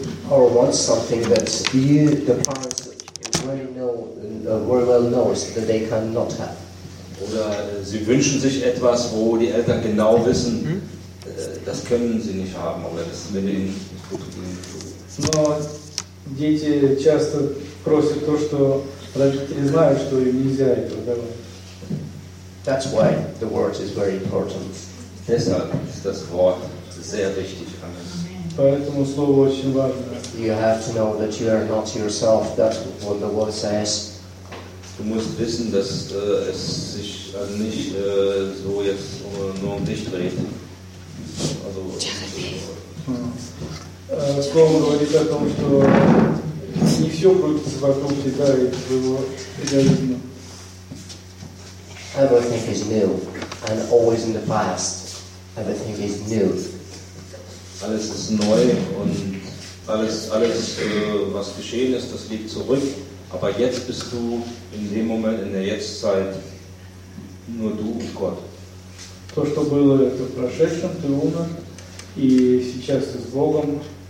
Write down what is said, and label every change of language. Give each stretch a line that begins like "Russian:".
English: Or want something that you, the parents, very know, very well knows that they cannot have.
German: Oder sie wünschen sich etwas, wo die Eltern genau wissen, das können sie nicht haben, aber das ist mit ihnen gut.
Russian: Но дети часто просят то, что родители знают, что им нельзя этого давать.
English: That's why the word is very important.
German: Deshalb ist das Wort sehr wichtig.
Russian: Поэтому слово очень важно.
English: You have to know that you are not yourself. That's what the word says.
German: Du musst wissen, dass es sich nicht so jetzt nur um dich dreht. Also,
Russian: Слово говорит о том, что не все крутится вокруг тебя и твоего эгоизма.
English: Everything is new, and always in the past, everything is new.
German: Alles ist neu und alles, was geschehen ist, das liegt zurück. Aber jetzt bist du in dem Moment, in der Jetztzeit, nur du und Gott.
Russian: То, что было, это в прошедшем, ты умер, и сейчас ты с Богом.